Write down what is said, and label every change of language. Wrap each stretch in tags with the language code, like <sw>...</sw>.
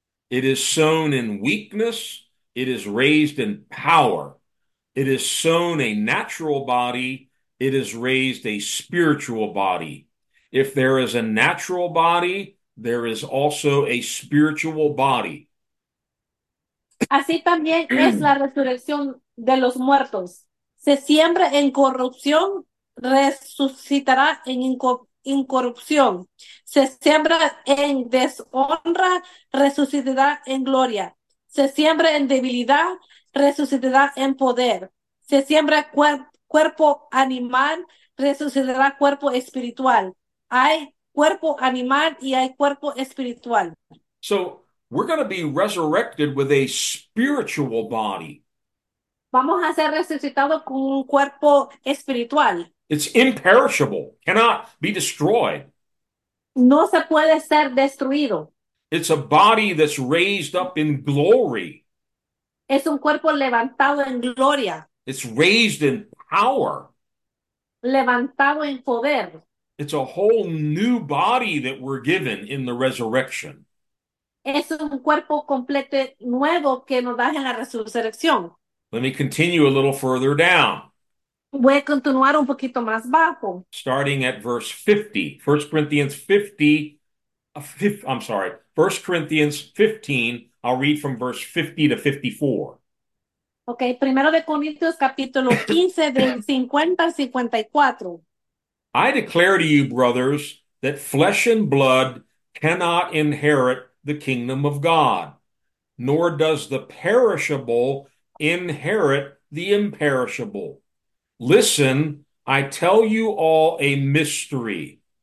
<en>It is sown in weakness, it is raised in power. It is sown a natural body, it is raised a spiritual body. If there is a natural body, there is also a spiritual body.</en> <es>Así también es la resurrección de los muertos. Se siembra en corrupción, resucitará en incorrupción. Se siembra en deshonra, resucitará en gloria. Se siembra en debilidad, resucitará en poder. Se siembra cuerpo animal, resucitará cuerpo espiritual. Hay cuerpo animal y hay cuerpo espiritual.</es> <en>So we're going to be resurrected with a spiritual body.</en> <es>Vamos a ser resucitados con un cuerpo espiritual.</es> <en>It's imperishable, cannot be destroyed.</en> <es>No se puede ser destruido.</es> <en>It's a body that's raised up in glory.</en> <es>Es un cuerpo levantado en gloria.</es> <en>It's raised in power.</en> <es>Levantado en poder.</es> <en>It's a whole new body that we're given in the resurrection.</en> <es>Es un cuerpo completo nuevo que nos da en la resurrección.</es> <en>Let me continue a little further down.</en> <es>Voy a continuar un poquito más bajo.</es> <en>Starting at verse 50. 1 Corinthians 50. I'm sorry. 1 Corinthians 15. I'll read from verse 50 to 54.</en> <es>Okay, primero de Corintios, capítulo 15, del 50 al 54.</es> <en>I declare to you, brothers, that flesh and blood cannot inherit the kingdom of God, nor does the perishable inherit the imperishable. Listen, I tell you all a mystery.</en>